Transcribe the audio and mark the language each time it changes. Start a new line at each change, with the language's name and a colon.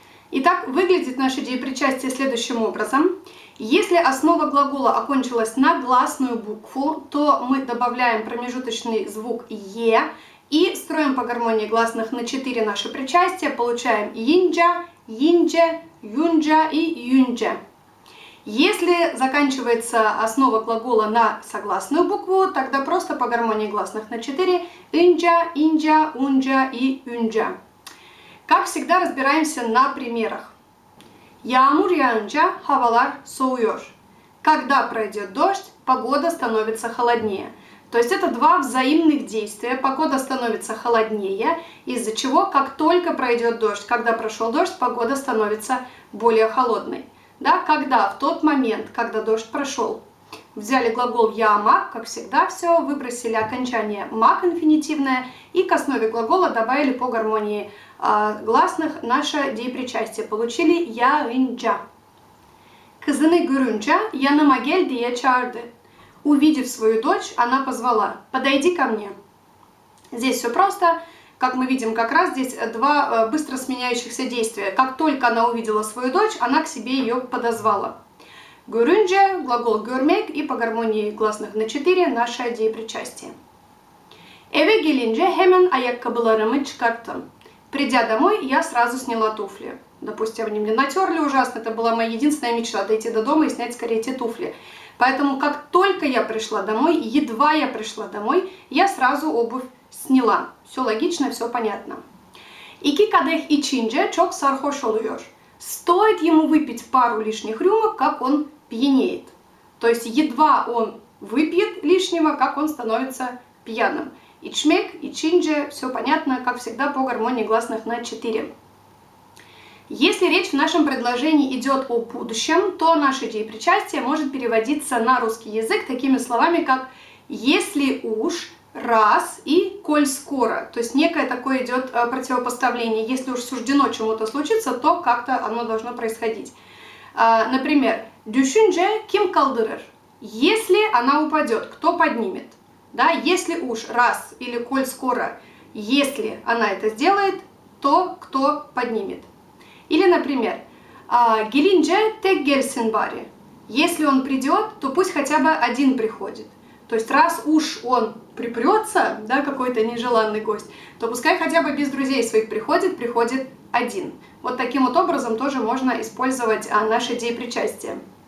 Russian: Итак, выглядит наше деепричастие следующим образом. Если основа глагола окончилась на гласную букву, то мы добавляем промежуточный звук «е» и строим по гармонии гласных на 4 наши причастия, получаем «инджа», «инджа», «юнджа» и «юнджа». Если заканчивается основа глагола на согласную букву, тогда просто по гармонии гласных на 4 «инджа», «инджа», «унджа» и «юнджа». Как всегда, разбираемся на примерах.
Turkish: Yağmur yağınca havalar soğuyor.
Russian: Когда пройдет дождь, погода становится холоднее. То есть это два взаимных действия. Погода становится холоднее, из-за чего, как только пройдет дождь, когда прошел дождь, погода становится более холодной. Да? Когда? В тот момент, когда дождь прошел. Взяли глагол yağmak, как всегда, все, выбросили окончание mak инфинитивное и к основе глагола добавили по гармонии гласных наше деепричастие. Получили yağınca.
Turkish: Kızını görünce yanıma gel diye çağırdı.
Russian: Увидев свою дочь, она позвала. Подойди ко мне. Здесь все просто. Как мы видим, как раз здесь два быстро сменяющихся действия. Как только она увидела свою дочь, она к себе ее подозвала. Görünce, глагол görmek и по гармонии гласных на 4 наше деепричастие.
Turkish: Eve gelince hemen ayakkabılarımı çıkarttım.
Russian: Придя домой, я сразу сняла туфли. Допустим, они мне натерли ужасно, это была моя единственная мечта, дойти до дома и снять скорее эти туфли. Поэтому как только я пришла домой, едва я пришла домой, я сразу обувь сняла. Все логично, все понятно.
Turkish: İki kadeh içince çok sarhoş oluyor.
Russian: Стоит ему выпить пару лишних рюмок, как он пьянеет. То есть едва он выпьет лишнего, как он становится пьяным. İçmek, içince, все понятно, как всегда, по гармонии гласных на 4. Если речь в нашем предложении идет о будущем, то наше деепричастие может переводиться на русский язык такими словами, как «если уж», «раз» и «коль скоро». То есть некое такое идет противопоставление. Если уж суждено чему-то случиться, то как-то оно должно происходить. Например,
Turkish: «düşünce kim kaldırır?»
Russian: «Если она упадет, кто поднимет?» Да, если уж, раз, или коль скоро, если она это сделает, то кто поднимет? Или, например,
Turkish: «Gelince tek gelsin bari».
Russian: Если он придет, то пусть хотя бы один приходит. То есть раз уж он припрется, да, какой-то нежеланный гость, то пускай хотя бы без друзей своих приходит, приходит один. Вот таким вот образом тоже можно использовать наше деепричастие.